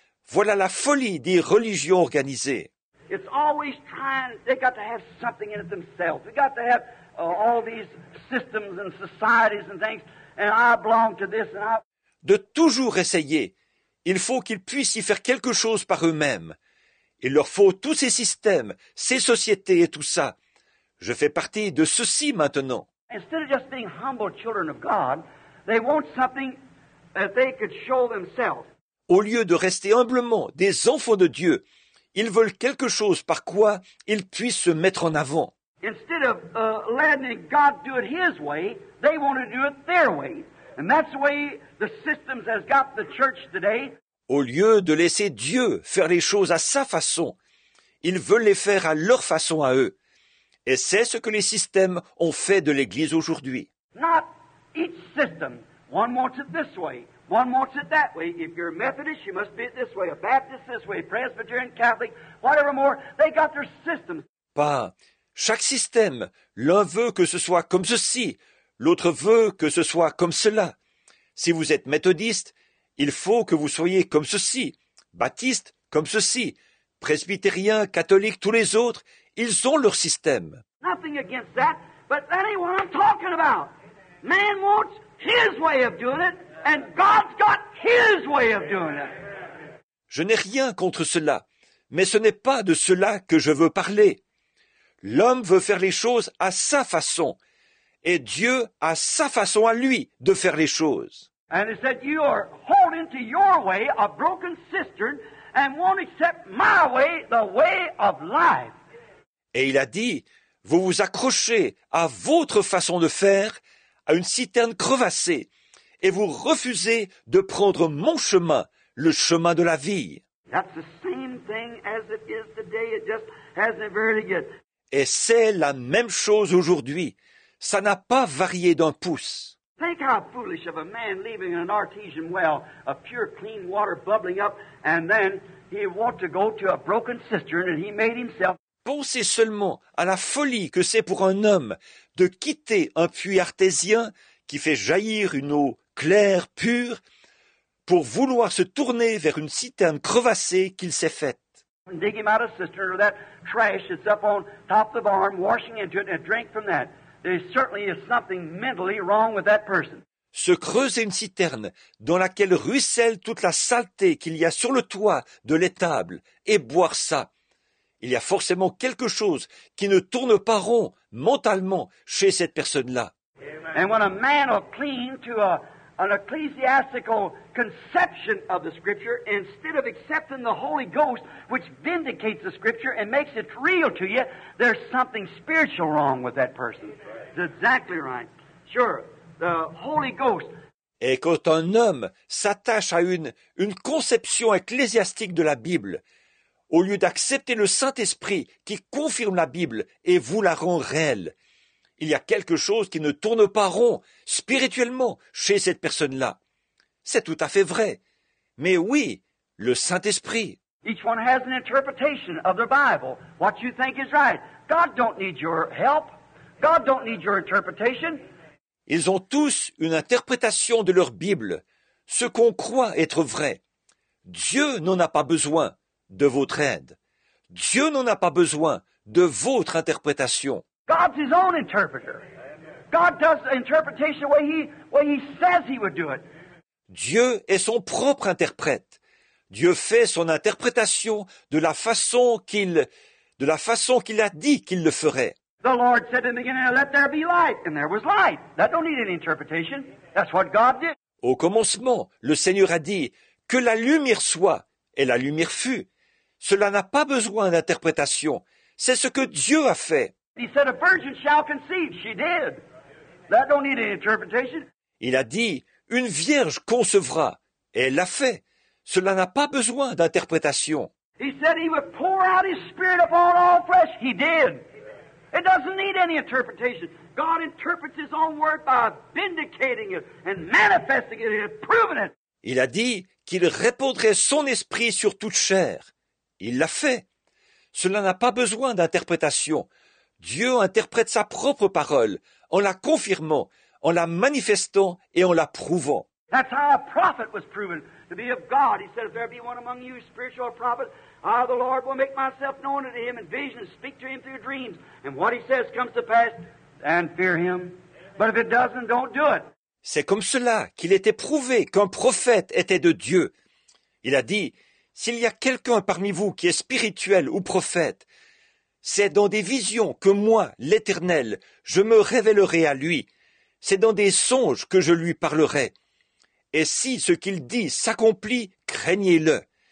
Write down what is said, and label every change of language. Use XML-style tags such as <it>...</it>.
<fr>Voilà la folie des religions organisées.</fr> <en>It's always trying, they got to have something in it themselves. They got to have all these systems and societies and things. And I belong to this and I...</en> <fr>De toujours essayer, il faut qu'ils puissent y faire quelque chose par eux-mêmes. Il leur faut tous ces systèmes, ces sociétés et tout ça. Je fais partie de ceci maintenant.</fr> <en>Instead of just being humble children of God, they want something that they could show themselves.</en> <fr>Au lieu de rester humblement des enfants de Dieu, ils veulent quelque chose par quoi ils puissent se mettre en avant.</fr> <en>Instead of letting God do it His way, they want to do it their way. And that's the way the systems has got the church today.</en> <fr>Au lieu de laisser Dieu faire les choses à sa façon, ils veulent les faire à leur façon à eux. Et c'est ce que les systèmes ont fait de l'Église aujourd'hui.</fr> <en>Not each system. One wants it this way. One wants it that way. If you're a Methodist, you must be it this way. A Baptist this way. Presbyterian, Catholic, whatever more. They got their systems.</en> <fr>Pas. Chaque système, l'un veut que ce soit comme ceci, l'autre veut que ce soit comme cela. Si vous êtes méthodiste, il faut que vous soyez comme ceci, baptiste, comme ceci, presbytérien, catholique, tous les autres, ils ont leur système.</fr> <en>Nothing against that, but that ain't what I'm talking about. Man wants his way of doing it, and God's got his way of doing it.</en> <fr>Je n'ai rien contre cela, mais ce n'est pas de cela que je veux parler. L'homme veut faire les choses à sa façon, et Dieu a sa façon à lui de faire les choses.</fr> <en>And he said, you are holding to your way a broken cistern and won't accept my way, the way of life.</en> <fr>Et il a dit, vous vous accrochez à votre façon de faire, à une citerne crevassée, et vous refusez de prendre mon chemin, le chemin de la vie.</fr> <en>That's the same thing as it is today, it just hasn't very good.</en> <fr>Et c'est la même chose aujourd'hui. Ça n'a pas varié d'un pouce.</fr> <en>Think how foolish of a man leaving an artesian well, a pure clean water bubbling up, and then he wanted to go to a broken cistern and he made himself.</en> <fr>Pensez seulement à la folie que c'est pour un homme de quitter un puits artésien qui fait jaillir une eau claire, pure, pour vouloir se tourner vers une citerne crevassée qu'il s'est faite.</fr> <en>Dig him out a cistern or that trash that's up on top of the barn, washing into it and drink from that. There certainly is something mentally wrong with that person.</en> <fr>Se creuser une citerne dans laquelle ruisselle toute la saleté qu'il y a sur le toit de l'étable et boire ça. Il y a forcément quelque chose qui ne tourne pas rond mentalement chez cette personne-là.</fr> <en>And when a man will cling to an ecclesiastical conception of the Scripture instead of accepting the Holy Ghost, which vindicates the Scripture and makes it real to you, there's something spiritual wrong with that person. That's exactly right. Sure. The Holy Ghost.</en> <fr>Et quand un homme s'attache à une conception ecclésiastique de la Bible, au lieu d'accepter le Saint-Esprit qui confirme la Bible et vous la rend réelle, il y a quelque chose qui ne tourne pas rond spirituellement chez cette personne-là. C'est tout à fait vrai. Mais oui, le Saint-Esprit.</fr> <en>Each one has an interpretation of the Bible, what you think is right. God don't need your help. God don't need your interpretation.</en> <fr>Ils ont tous une interprétation de leur Bible, ce qu'on croit être vrai. Dieu n'en a pas besoin de votre aide. Dieu n'en a pas besoin de votre interprétation.</fr> <en>God's his own interpreter. God does the interpretation the way he says he would do it.</en> <fr>Dieu est son propre interprète. Dieu fait son interprétation de la façon qu'il a dit qu'il le ferait.</fr> <en>The Lord said in the beginning, let there be light, and there was light. That don't need any interpretation. That's what God did.</en> <fr>Au commencement, le Seigneur a dit, que la lumière soit, et la lumière fut. Cela n'a pas besoin d'interprétation. C'est ce que Dieu a fait.</fr> <en>He said, a virgin shall conceive. She did. That don't need any interpretation.</en> <fr>Il a dit, une vierge concevra, et elle l'a fait. Cela n'a pas besoin d'interprétation.</fr> <en>He said, he would pour out his spirit upon all flesh. He did. It doesn't need any interpretation. God interprets his own word by vindicating it and manifesting it and proving it.</en> <fr>Il a dit qu'il répandrait son esprit sur toute chair. Il l'a fait. Cela n'a pas besoin d'interprétation. Dieu interprète sa propre parole en la confirmant, en la manifestant et en la prouvant.</fr> <en>That's how a prophet was proven to be of God. He said, if there be one among you, spiritual prophet, I, the Lord, will make myself known unto him in visions, speak to him through dreams, and what he says comes to pass, and fear him. But if it doesn't, don't do it.</en> <fr>C'est comme cela qu'il était prouvé qu'un prophète était de Dieu. Il a dit, s'il y a quelqu'un parmi vous qui est spirituel ou prophète, c'est dans des visions que moi, l'Éternel, je me révélerai à lui. C'est dans des songes que je lui parlerai. Et si ce qu'il dit s'accomplit, craignez-le.</fr>